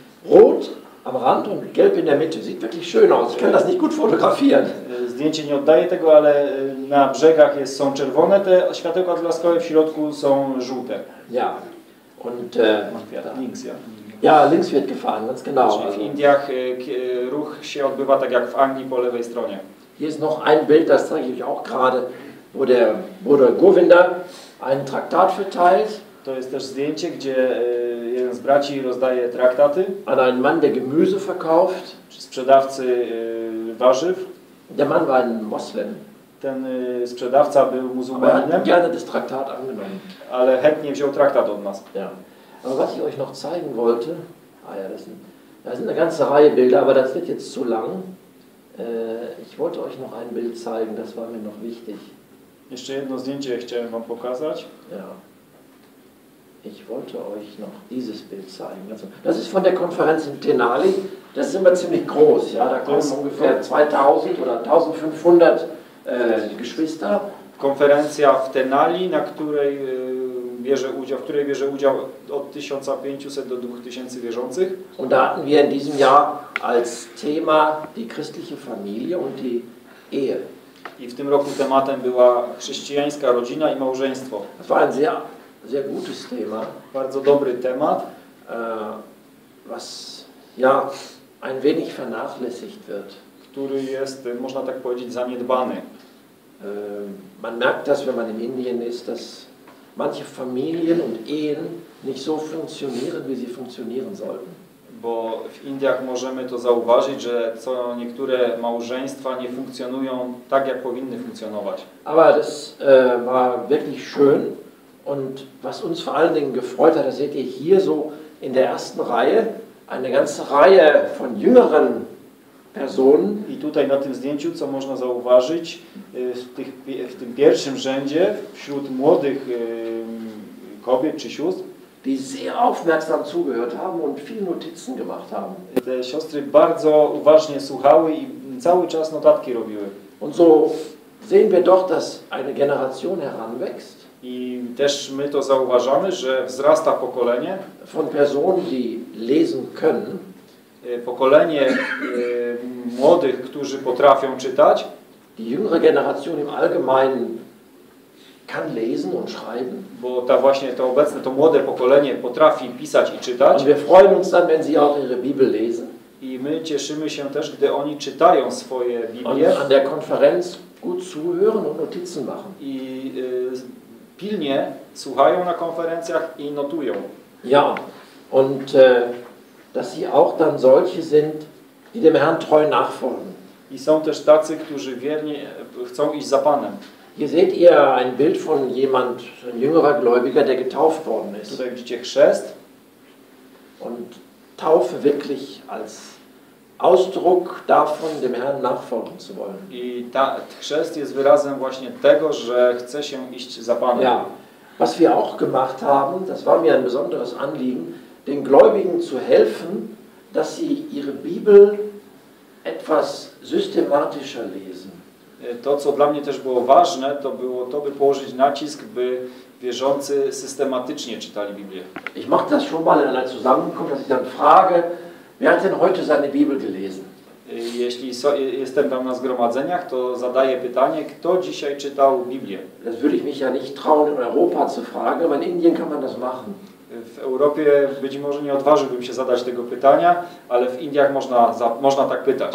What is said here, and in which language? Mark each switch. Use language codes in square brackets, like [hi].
[de] Rot am Rand und gelb in der Mitte. Sieht wirklich schön aus. Ich kann das nicht gut fotografieren. [pl] Zdjęcie nie oddaje tego, ale na brzegach są czerwone te światełka odblaskowe, w środku są żółte. [de] Ja. Und links, ja. Ja, links wird gefahren, ganz genau. [pl] W Indiach ruch się odbywa tak jak w Anglii po lewej stronie. [de] Hier ist noch ein Bild, das zeige ich auch gerade, wo der Bruder Govinda einen Traktat verteilt. [pl] To jest też zdjęcie, gdzie jeden z braci rozdaje traktaty. [de] An einen Mann, der Gemüse verkauft. [pl] Sprzedawcy warzyw. [de] Der Mann war ein Moslem. [pl] Ten sprzedawca był muzułmaninem. [de] Aber gerne das Traktat angenommen. [pl] Ale chętnie wziął traktat od nas. [de] Ja. Aber was ich euch noch zeigen wollte, ah ja, das sind eine ganze Reihe Bilder, aber das wird jetzt zu lang. Ich wollte euch noch ein Bild zeigen, das war mir noch wichtig. [pl] Jeszcze jedno zdjęcie chciałem wam pokazać. [de] Ja. Ich wollte euch noch dieses Bild zeigen. Das ist von der Konferenz in Denali. Das ist immer ziemlich groß, ja. Da kommen ungefähr 2000 oder 1500 Geschwister. [pl] Konferencja w Denali, na której bierze udział od 1500 do 2000 wierzących. [de] Und da hatten wir in diesem Jahr als Thema die christliche Familie und die Ehe. [pl] I w tym roku tematem była chrześcijańska rodzina i małżeństwo. [de] Das war ein sehr, sehr gutes Thema. [pl] Bardzo dobry temat, [de] was ja ein wenig vernachlässigt wird. [pl] Który jest, można tak powiedzieć, zaniedbany. [de] Man merkt das, wenn man in Indien ist, dass manche Familien und Ehen nicht so funktionieren, wie sie funktionieren sollten. [pl] Bo w Indiach możemy to zauważyć, że co niektóre małżeństwa nie funkcjonują tak, jak powinny funkcjonować. [de] Aber das war wirklich schön und was uns vor allen Dingen gefreut hat, das seht ihr hier so in der ersten Reihe, eine ganze Reihe von jüngeren Personen. [pl] I tutaj na tym zdjęciu, co można zauważyć, w tym pierwszym rzędzie, wśród młodych kobiet czy sióstr, [de] die sehr aufmerksam zugehört haben und viele Notizen gemacht haben. [pl] Te siostry bardzo uważnie słuchały i cały czas notatki robiły. [de] Und so sehen wir doch, dass eine Generation heranwächst. [pl] I też my to zauważamy, że wzrasta pokolenie. [de] Von Personen, die lesen können. [pl] Pokolenie młodych, którzy potrafią czytać. [de] Die jüngere Generation im Allgemeinen kann lesen und schreiben. [pl] Bo ta właśnie to obecne, to młode pokolenie potrafi pisać i czytać. [de] Und wir freuen uns dann, wenn sie auch ihre Bibel lesen. [pl] I my cieszymy się też, gdy oni czytają swoje Biblię. [de] Und an der Konferenz gut zuhören und Notizen machen. [pl] I pilnie słuchają na konferencjach i notują. [de] Ja, und dass sie auch dann solche sind, die dem Herrn treu nachfolgen. [pl] I są też tacy, którzy wiernie chcą iść za Panem. [de] Hier seht ihr ein Bild von jemand, ein jüngerer Gläubiger, der getauft worden ist. [pl] Tutaj widzicie chrzest. [de] Und Taufe wirklich als Ausdruck davon, dem Herrn nachfolgen zu wollen. [pl] I ta, chrzest jest wyrazem właśnie tego, że chce się iść za Panem. [de] Ja, was wir auch gemacht haben, das war mir ein besonderes Anliegen, den Gläubigen zu helfen, dass sie ihre Bibel etwas systematischer lesen. [pl] To, co dla mnie też było ważne, to było to, by położyć nacisk, by wierzący systematycznie czytali Biblię. [de] Ich mach das schon mal in einer Zusammenkunft, dass ich dann frage, wer hat denn heute seine Bibel gelesen? [pl] Jeśli jestem tam na zgromadzeniach, to zadaję pytanie, kto dzisiaj czytał Biblię? [de] Das würde ich mich ja nicht trauen, in Europa zu fragen, aber in Indien kann man das machen. [pl] W Europie być może nie odważyłbym się zadać tego pytania, ale w Indiach można tak pytać.